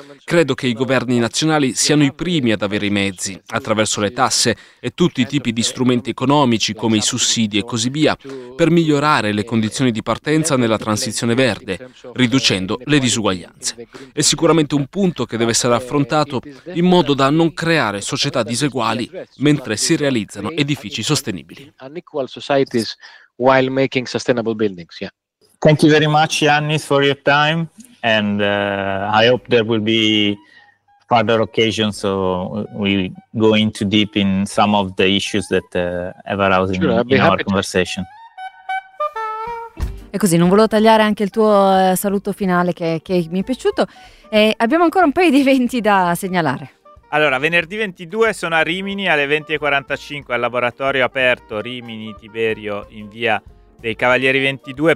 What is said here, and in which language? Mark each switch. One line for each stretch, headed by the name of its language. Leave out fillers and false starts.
Italian: Credo che i governi nazionali siano i primi ad avere i mezzi, attraverso le tasse e tutti i tipi di strumenti economici come i sussidi e così via, per migliorare le condizioni di partenza nella transizione verde, riducendo le disuguaglianze. È sicuramente un punto che deve essere affrontato in modo da non creare società diseguali mentre si realizzano edifici sostenibili.
English: Unequal societies while making sustainable buildings. Yeah. Thank you very much, Yannis, for your time, and I hope there will be further occasions so we go into deep in some of the issues that have arisen in our conversation.
Italian: E così, non volevo tagliare anche il tuo saluto finale che mi è piaciuto. E abbiamo ancora un paio di eventi da segnalare. Allora, venerdì 22 sono a Rimini alle 20.45 al laboratorio aperto Rimini Tiberio in via dei Cavalieri 22.